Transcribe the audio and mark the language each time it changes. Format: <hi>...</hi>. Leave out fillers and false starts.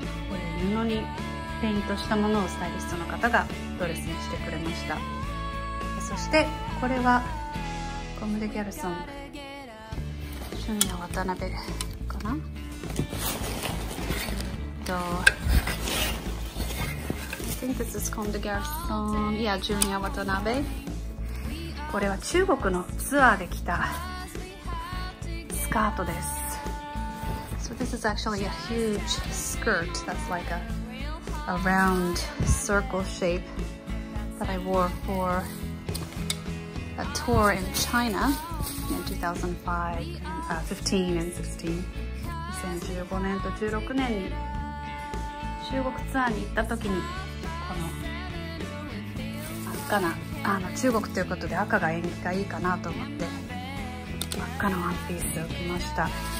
<ja>これ布にペイントしたものをスタイリストの方がドレスにしてくれました。そしてこれはコム・デ・ギャルソン、趣味の渡辺かな。</ja> <en>I think this is Comme des Garçons. Yeah, Junior Watanabe.</en> <ja>これは中国のツアーで着たスカートです。</ja> <en>So this is actually a huge skirt that's like a round circle shape that I wore for a tour in China in 2015 and 16</en> <ja>2015年と16年に中国ツアーに行った時にこの真っ赤な、あの中国ということで赤が縁起がいいかなと思って真っ赤なワンピースを着ました。</ja>